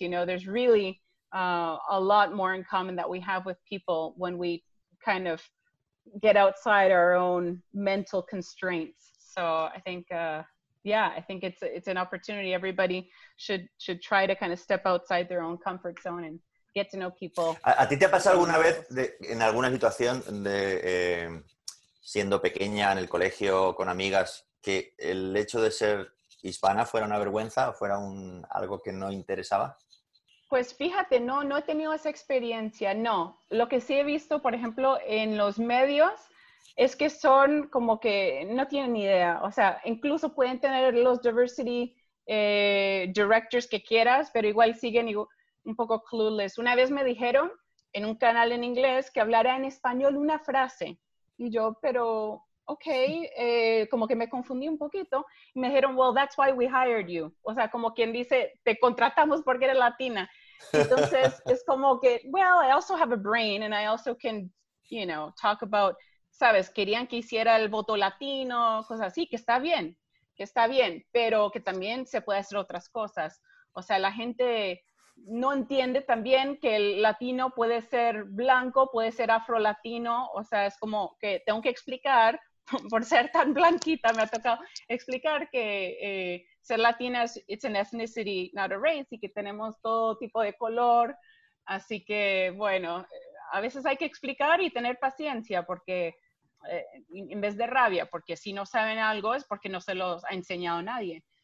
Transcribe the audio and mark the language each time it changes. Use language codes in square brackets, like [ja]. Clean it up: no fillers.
[en] You know, there's really a lot more in common that we have with people when we kind of get outside our own mental constraints. So I think, I think it's an opportunity. Everybody should try to kind of step outside their own comfort zone and get to know people. [es] ¿A ti te ha pasado alguna vez en alguna situación de siendo pequeña en el colegio con amigas que el hecho de ser hispana fuera una vergüenza o fuera algo que no interesaba? Pues fíjate, no he tenido esa experiencia, no. Lo que sí he visto, por ejemplo, en los medios, es que son como que no tienen ni idea. O sea, incluso pueden tener los diversity directors que quieras, pero igual siguen un poco clueless. Una vez me dijeron en un canal en inglés que hablara en español una frase. Y yo, pero, ok, como que me confundí un poquito. Y me dijeron, [en] well, that's why we hired you. [es] O sea, como quien dice, te contratamos porque eres latina. Entonces, es como que, [en] well, I also have a brain and I also can, you know, talk about, [es] ¿sabes? Querían que hiciera el voto latino, cosas así, que está bien, pero que también se puede hacer otras cosas. O sea, la gente no entiende también que el latino puede ser blanco, puede ser afro-latino, o sea, es como que tengo que explicar, por ser tan blanquita me ha tocado explicar que ser latina es [en] it's an ethnicity, not a race, [es] y que tenemos todo tipo de color, así que, bueno, a veces hay que explicar y tener paciencia, porque en vez de rabia, porque si no saben algo es porque no se los ha enseñado nadie.